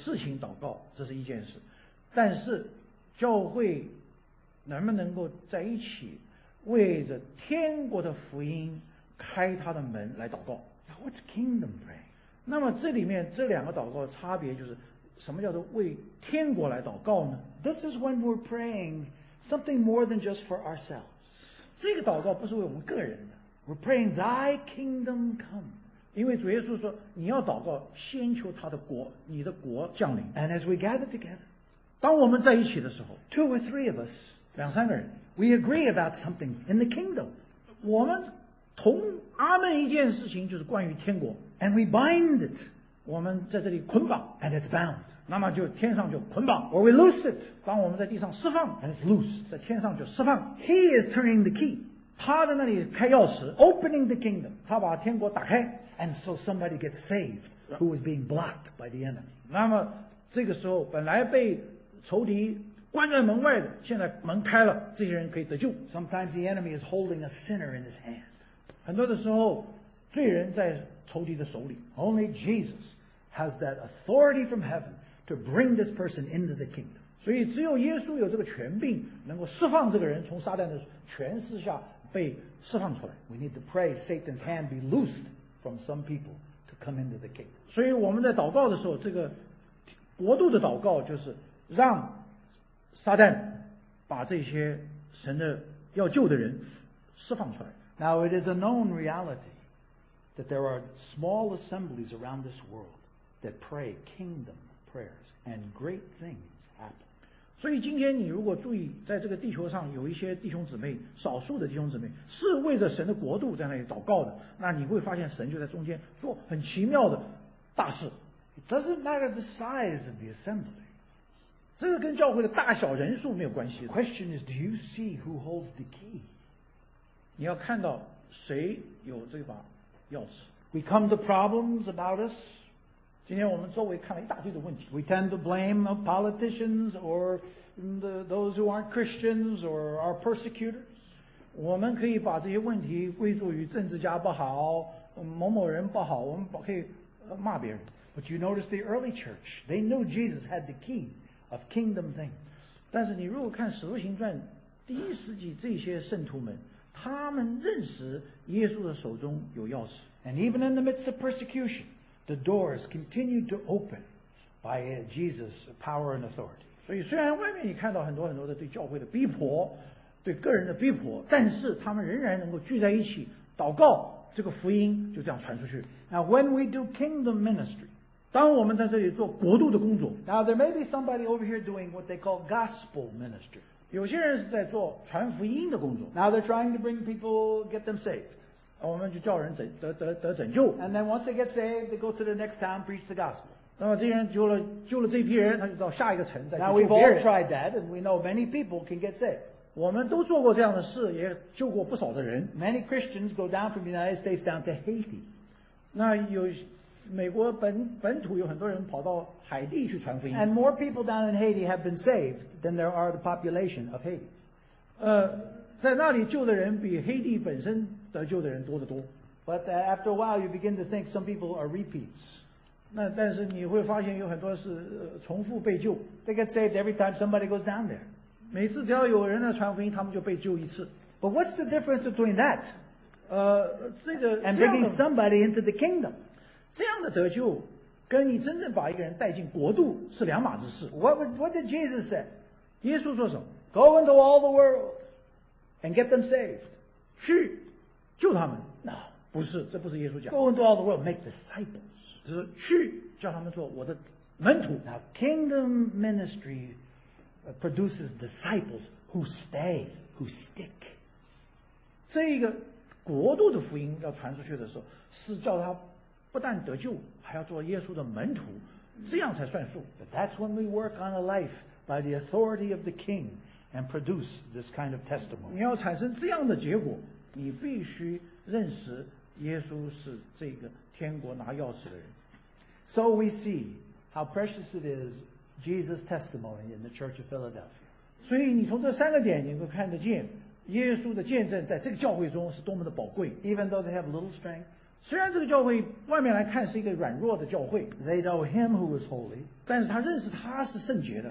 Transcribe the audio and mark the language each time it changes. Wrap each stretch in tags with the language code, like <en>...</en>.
<zh>第一个例子就是说,教会可以聚在一起,然后来祷告,为着一些事情祷告,这是一件事。但是, 教会能不能够在一起为着天国的福音开他的门来祷告?</zh> <en>What's kingdom praying?</en> <zh>那么这里面这两个祷告的差别就是什么叫做为天国来祷告呢?</zh> <en>This is when we're praying something more than just for ourselves.</en> <zh>这个祷告不是为我们个人的。</zh> <en>We're praying thy kingdom come.</en> <zh>因为主耶稣说你要祷告先求他的国,你的国降临。</zh> <en>And as we gather together,</en> <zh>当我们在一起的时候,</zh> <en>two or three of us,</en> <zh>两三个人,</zh> <en>we agree about something in the kingdom.</en> <zh>我们同阿们一件事情就是关于天国,</zh> <en>and we bind it.</en> <zh>我们在这里捆绑,</zh> <en>and it's bound.</en> <zh>那么就天上就捆绑,</zh> <en>or we loose it.</en> <zh>当我们在地上释放,</zh> <en>and it's loose.</en> <zh>在天上就释放,</zh> <en>he is turning the key.</en> <zh>他在那里开钥匙,</zh> <en>opening the kingdom.</en> <zh>他把天国打开,</zh> <en>and so somebody gets saved who was being blocked by the enemy.</en> <zh>那么这个时候本来被 仇敌关在门外的,现在门开了,</zh> <en>sometimes the enemy is holding a sinner in his hand.</en> <zh>很多的时候,</zh> <en>only Jesus has that authority from heaven to bring this person into the kingdom.</en> <zh>所以只有耶稣有这个权柄, 能够释放这个人从撒旦的权势下, 被释放出来。</zh> <en>We need to pray Satan's hand be loosed from some people to come into the kingdom.</en> <zh>所以我们在祷告的时候，这个国度的祷告就是让撒旦把这些神的要救的人释放出来。</zh> <en>Now it is a known reality that there are small assemblies around this world that pray kingdom prayers and great things happen.</en> <zh>所以今天你如果注意，在这个地球上有一些弟兄姊妹，少数的弟兄姊妹是为着神的国度在那里祷告的，那你会发现神就在中间做很奇妙的大事。</zh> <en>It doesn't matter the size of the assembly.</en> <zh>这个跟教会的大小人数没有关系。</zh> <en>The question is, do you see who holds the key?</en> <zh>你要看到谁有这把钥匙。</zh> <en>We come to problems about us.</en> <zh>今天我们周围看了一大堆的问题。</zh> <en>We tend to blame the politicians or the, those who aren't Christians or our persecutors.</en> <zh>我们可以把这些问题归咎于政治家不好，某某人不好，我们可以骂别人。</zh> <en>But you notice the early church, they knew Jesus had the key of kingdom things.</en> <zh>但是你如果看《使徒行传》第一世纪这些圣徒们，他们认识耶稣的手中有钥匙。</zh> <en>And even in the midst of persecution, the doors continued to open by Jesus' power and authority.</en> <zh>所以虽然外面你看到很多很多的对教会的逼迫，对个人的逼迫，但是他们仍然能够聚在一起祷告，这个福音就这样传出去。</zh> <en>Now when we do kingdom ministry,</en> <zh>当我们在这里做国度的工作，</zh> <en>Now there may be somebody over here doing what they call gospel ministry.</en> <zh>有些人是在做传福音的工作。</zh> <en>Now they're trying to bring people, get them saved.</en> <zh>我们就叫人得拯救。</zh> <en>And then once they get saved, they go to the next town, preach the gospel.</en> <zh>那么这些人救了这批人，他就到下一个城再去救别人。</zh> <en>Now we've all tried that, and we know many people can get saved.</en> <zh>我们都做过这样的事，也救过不少的人。</zh> <en>Many Christians go down from the United States down to Haiti.</en> <zh>那有美国本土有很多人跑到海地去传福音。</zh> <en>And more people down in Haiti have been saved than there are the population of Haiti.</en> <zh>在那里救的人比黑地本身得救的人多得多。</zh> <en>But after a while, you begin to think some people are repeats.</en> <zh>那但是你会发现有很多是重复被救。</zh> <en>They get saved every time somebody goes down there.</en> <zh>每次只要有人来传福音，他们就被救一次。</zh> <en>But what's the difference between that?</en> <zh>这个</zh> <en>and bringing somebody into the kingdom.</en> <zh>这样的得救跟你真正把一个人带进国度是两码子事。</zh> <en>What did Jesus say?</en> <zh>耶稣说什么？</zh> <en>Go into all the world and get them saved.</en> <zh>去救他们。</zh> <en>No.</en> <zh>不是，这不是耶稣讲。</zh> <en>Go into all the world, make disciples.</en> <zh>是去叫他们做我的门徒。</zh> <en>Now, kingdom ministry produces disciples who stay, who stick.</en> <zh>这一个国度的福音要传出去的时候，是叫他不但得救，还要做耶稣的门徒，这样才算数。</zh> <en>But that's when we work on a life by the authority of the King and produce this kind of testimony.</en> <zh>你要产生这样的结果，你必须认识耶稣是这个天国拿钥匙的人。</zh> <en>So we see how precious it is Jesus' testimony in the Church of Philadelphia.</en> <zh>所以你从这三个点你会看得见，耶稣的见证在这个教会中是多么的宝贵。</zh> <en>Even though they have little strength.</en> <zh>虽然这个教会外面来看是一个软弱的教会，</zh> <en>they know him who is holy,</en> <zh>但是他认识他是圣洁的，</zh>